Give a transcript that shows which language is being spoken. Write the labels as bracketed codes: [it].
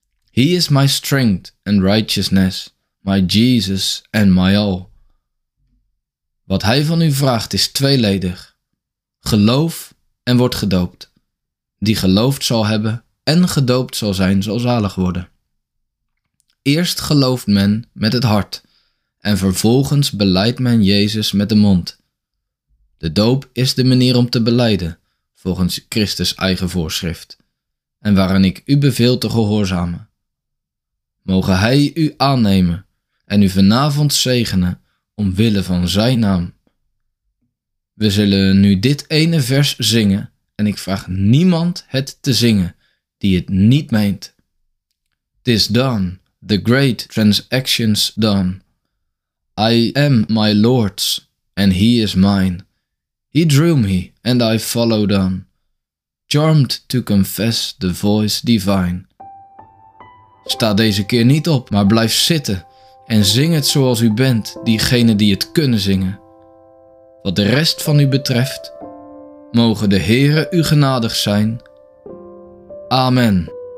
[en] He is my strength and righteousness, my Jesus and my all. [nl] Wat hij van u vraagt is tweeledig. Geloof en wordt gedoopt. Die geloofd zal hebben en gedoopt zal zijn, zal zalig worden. Eerst gelooft men met het hart en vervolgens belijdt men Jezus met de mond. De doop is de manier om te belijden, volgens Christus' eigen voorschrift, en waaraan ik u beveel te gehoorzamen. Mogen hij u aannemen en u vanavond zegenen omwille van zijn naam. We zullen nu dit ene vers zingen en ik vraag niemand het te zingen die het niet meent. [en] 'Tis done, the great transaction's done. I am my Lord's and he is mine. He drew me and I followed on. Charmed to confess the voice divine. [nl] Sta deze keer niet op, maar blijf zitten en zing het zoals u bent, diegenen die het kunnen zingen. Wat de rest van u betreft, mogen de Heere u genadig zijn. Amen.